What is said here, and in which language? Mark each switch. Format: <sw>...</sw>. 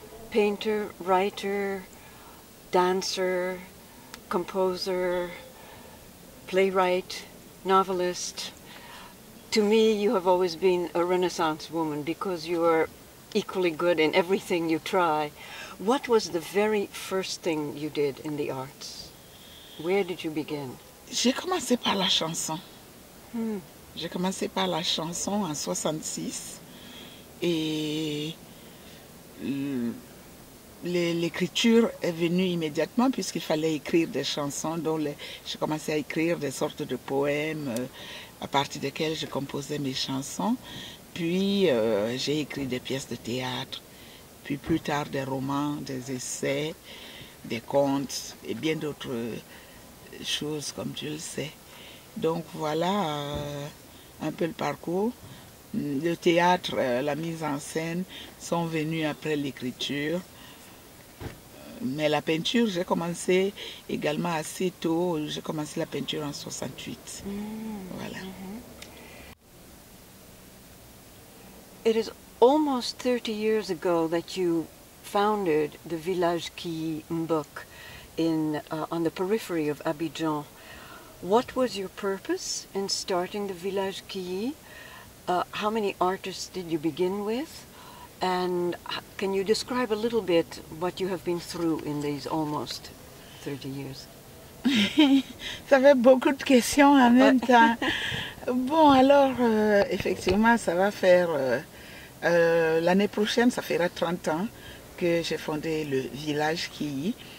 <en>Painter, writer, dancer, composer, playwright, novelist. To me, you have always been a Renaissance woman because you are equally good in everything you try. What was the very first thing you did in the arts? Where did you begin?</en> <fr>J'ai commencé par la chanson. J'ai commencé par la chanson en 66 et l'écriture est venue immédiatement puisqu'il fallait écrire des chansons. Donc j'ai commencé à écrire des sortes de poèmes à partir desquels je composais mes chansons. puis j'ai écrit des pièces de théâtre, puis plus tard des romans, des essais, des contes et bien d'autres choses comme tu le sais. Donc voilà un peu le parcours. Le théâtre, la mise en scène sont venus après l'écriture. Mais la peinture, j'ai commencé également assez tôt. J'ai commencé la peinture en 68. Mmh. Voilà. Mmh.</fr> <en>It is almost 30 years ago that you founded the village qui Mbok on the periphery of Abidjan. What was your purpose in starting the village qui? How many artists did you begin with? And can you describe a little bit what you have been through in these almost 30 years?</en> <fr>Ça fait beaucoup de questions en même temps. Bon, alors, effectivement, ça va faire... l'année prochaine, ça fera 30 ans que j'ai fondé le village qui...</fr>